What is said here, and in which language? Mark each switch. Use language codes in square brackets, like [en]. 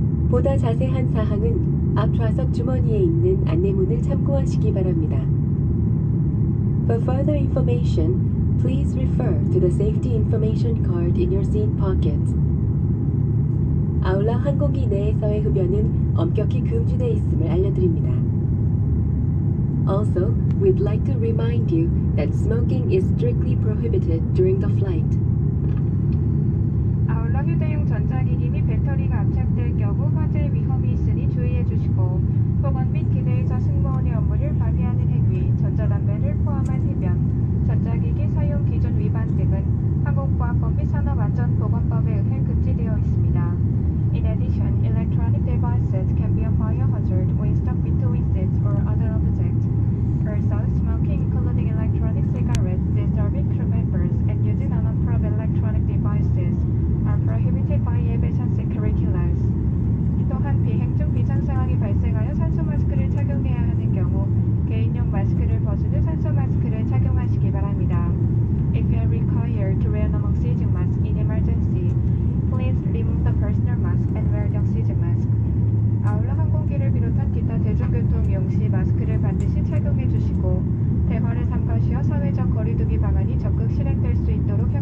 [ko] 보다 자세한 사항은 앞 좌석 주머니에 있는 안내문을 참고하시기 바랍니다. [en] For further information, please refer to the safety information card in your seat pocket. [ko] 아울러 항공기 내에서의 흡연은 엄격히 금지되어 있음을 알려드립니다. [en] Also, we'd like to remind you that smoking is strictly prohibited during the flight. [ko] 아울러 휴대용 전자기기 및 배터리가 압착될 경우 화재 위험이 있으니 주의해 주시고, 폭언 및 기내에서 승무원의 업무를 방해하는 행위, 전자담배를 포함한 흡연, 전자기기 사용 기준 위반 등은 항공보안법 및 산업안전보건법에 의해 금지되어 있습니다. [en] In addition, electronic devices can be a fire hazard when stuck between seats or other objects. Persons smoking, including electronic cigarettes, disturbing crew members, and using unapproved electronic devices are prohibited by aviation security laws. [ko] 또한 비행 중 비상 상황이 발생하여 산소 마스크를 착용해야 하는 경우 개인용 마스크를 벗은 후 산소 마스크를 착용하시기 바랍니다. [en] If you are required to wear an oxygen mask in emergency, please remove the personal mask and wear the oxygen mask. [ko] 아울러 항공기를 비롯한 기타 대중교통 이용 시 마스크를 반드시 착용해 주시고 대화를 삼가시어 사회적 거리두기 방안이 적극 실행될 수 있도록